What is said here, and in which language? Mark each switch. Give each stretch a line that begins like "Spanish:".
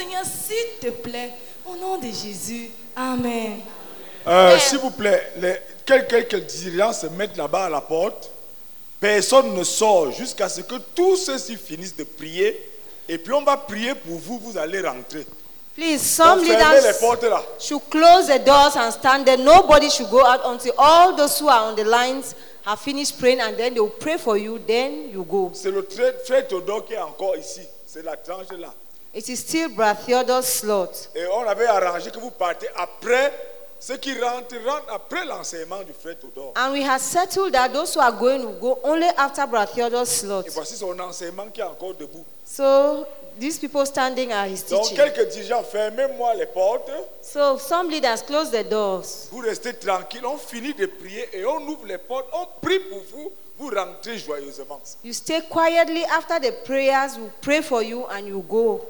French: Seigneur, s'il te plaît, au nom de Jésus. Amen. S'il vous plaît, quelques dirigeants se mettent là-bas à la porte. Personne ne sort jusqu'à ce que tous ceux-ci finissent de prier. Et puis on va prier pour vous, vous allez rentrer.
English: Please, some leaders
French: les portes là.
English: Should close the doors and stand there. Nobody should go out until all those who are on the lines have finished praying and then they will pray for you, then you go.
French: C'est le frère Théodore qui est encore ici. C'est la tranche là.
English: It is still Brother Theodore's slot.
French: Et on avait arrangé que vous partez après. Ceux qui rentrent après l'enseignement du frère Théodore.
English: And we have settled that those who are going will go only after Brother Theodore's slot.
French: Et voici son enseignement qui est encore debout.
English: So these people standing are his teaching.
French: Donc quelques dirigeants, fermez-moi les portes.
English: So some leaders close the doors.
French: Vous restez tranquille. On finit de prier et on ouvre les portes. On prie pour vous. Vous rentrez joyeusement.
English: You stay quietly after the prayers. We pray for you and you go.